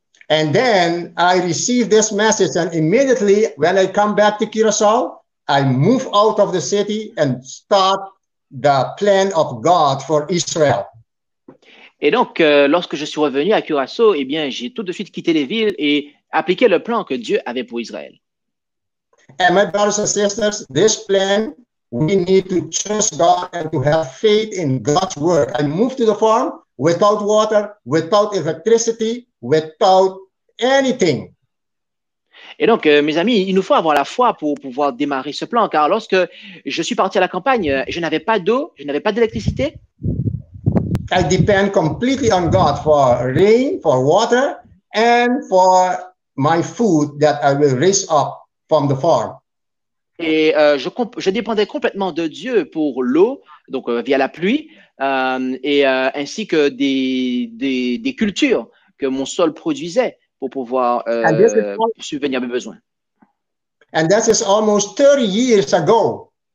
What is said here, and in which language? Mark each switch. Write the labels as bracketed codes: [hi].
[en] And then I received this message, and immediately when I come back to Curaçao, I move out of the city and start the plan of God for Israel. [fr] Et donc, lorsque je suis revenu à Curaçao, eh bien, j'ai tout de suite quitté les villes et appliqué le plan que Dieu avait pour Israël. [en] And my brothers and sisters, this plan, we need to trust God and to have faith in God's word. I moved to the farm without water, without electricity, without anything. [fr] Et donc, mes amis, il nous faut avoir la foi pour pouvoir démarrer ce plan, car lorsque je suis parti à la campagne, je n'avais pas d'eau, je n'avais pas d'électricité. [en] I depend completely on God for rain, for water, and for my food that I will raise up from the farm. [fr] Et je dépendais complètement de Dieu pour l'eau, donc via la pluie, ainsi que des cultures que mon sol produisait pour pouvoir subvenir à mes besoins. [en] And that is almost 30 years ago.